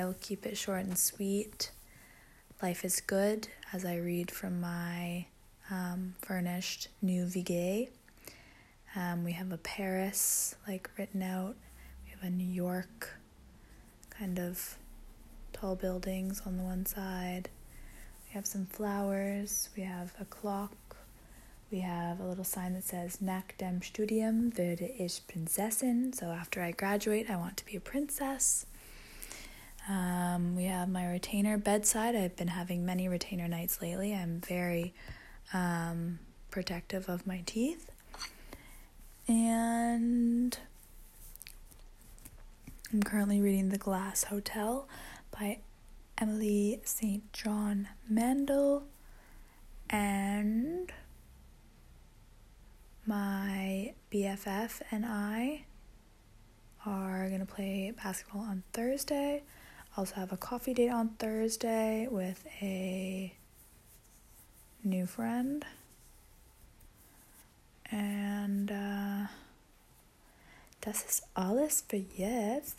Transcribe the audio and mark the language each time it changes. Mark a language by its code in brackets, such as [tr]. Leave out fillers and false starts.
[en] I'll keep it short and sweet. Life is good, as I read from my furnished new Vigée. We have a Paris, like, written out. We have a New York, kind of tall buildings on the one side. We have some flowers. We have a clock. We have a little sign that says, [de] Nach dem Studium würde ich Prinzessin. [en] So after I graduate, I want to be a princess. We have my retainer bedside. I've been having many retainer nights lately. I'm very, protective of my teeth. And I'm currently reading The Glass Hotel by Emily St. John Mandel. And my BFF and I are going to play basketball on Thursday. Also have a coffee date on Thursday with a new friend. [de] And das ist alles für jetzt.